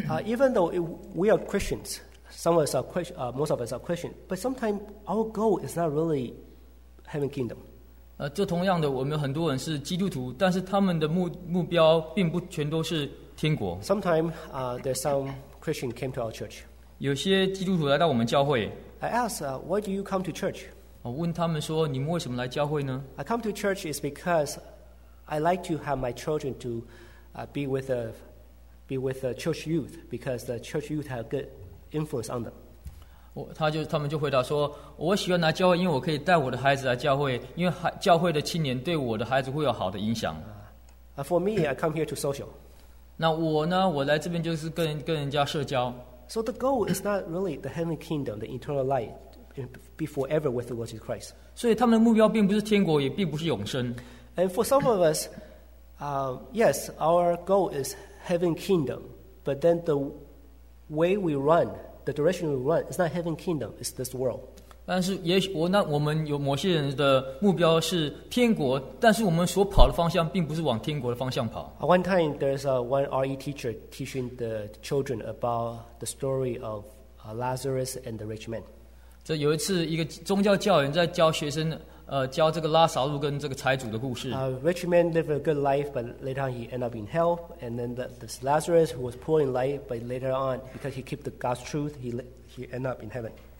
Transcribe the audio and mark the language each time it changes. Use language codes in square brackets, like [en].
[en] Even though we are Christians, most of us are Christian, but sometimes our goal is not really heaven kingdom. [zh] 这同样的，我们很多人是基督徒，但是他们的目标并不全都是天国。 [en] Sometimes, there's some Christian came to our church. [zh] 有些基督徒来到我们教会。 [en] I ask, why do you come to church? [zh] 我问他们说，你们为什么来教会呢 [en] ？I come to church is because I like to have my children to be with the church youth because the church youth have good influence on them. [zh] 他们就回答说我喜欢来教会因为我可以带我的孩子来教会因为教会的青年对我的孩子会有好的影响 [en] For me, I come here to social [zh] 那我呢我来这边就是跟人家社交 [en] So the goal is not really the heaven kingdom, the eternal life be forever with the Lord Jesus Christ [zh] 所以他们的目标并不是天国也并不是永生 [en] And for some of us, yes, our goal is heaven kingdom but then the way we run, the direction we run, is not heaven kingdom, it's this world. [zh] 但是我们有某些人的目标是天国，但是我们所跑的方向并不是往天国的方向跑。 [en] One time, there's one RE teacher teaching the children about the story of Lazarus and the rich man. [zh] 有一次，一个宗教教员在教学生，教这个拉撒路跟这个财主的故事。 [en] Rich man lived a good life, but later on he ended up in hell. And then this Lazarus who was poor in life, but later on, because he kept the God's truth, he ended up in heaven.